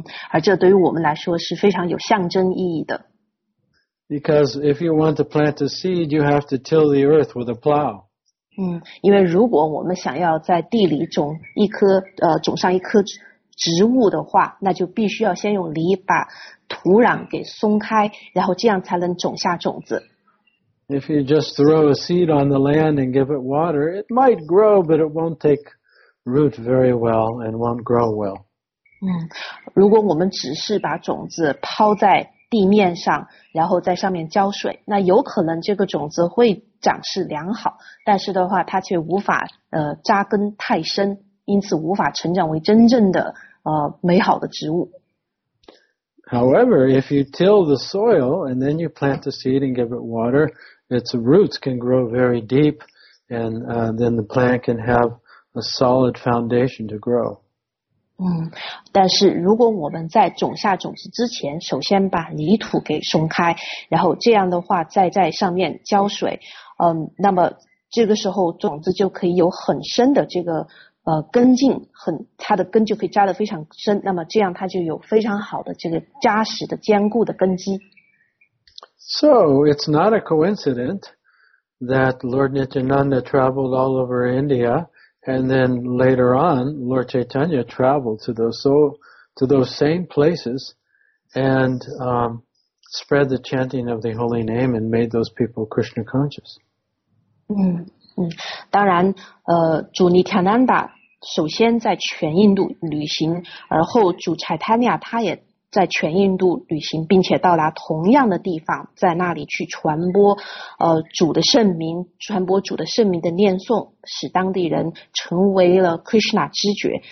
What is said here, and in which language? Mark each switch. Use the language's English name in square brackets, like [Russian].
[Chinese] 而这对于我们来说是非常有象征意义的。 [English] Because if you want to plant a seed, you have to till the earth with a plow. [Chinese] 因为如果我们想要在地里种一颗种上一颗植物的话，那就必须要先用犁把土壤给松开，然后这样才能种下种子。 [English] If you just throw a seed on the land and give it water, it might grow, but it won't take root very well and won't grow well. [Chinese] 如果我们只是把种子抛在地面上，然后在上面浇水，那有可能这个种子会长势良好，但是的话它却无法扎根太深，因此无法成长为真正的美好的植物。 [English] However, if you till the soil and then you plant the seed and give it water, its roots can grow very deep and then the plant can have a solid foundation to grow. [Chinese] 但是如果我们在种下种子之前首先把泥土给松开，然后这样的话再在上面浇水，那么这个时候种子就可以有很深的这个根茎，它的根就可以扎得非常深，那么这样它就有非常好的这个扎实的坚固的根基。 [English] So it's not a coincidence that Lord Nityananda traveled all over IndiaAnd then later on, Lord Chaitanya traveled to those same places and spread the chanting of the holy name and made those people Krishna conscious. [Chinese] 当然，主尼塔南达首先在全印度旅行，而后主柴塔尼亚他也在全印度旅行，并且到达同样的地方，在那里去传播，主的圣名，传播主的圣名的念诵，使当地人成为了 Krishna 知觉。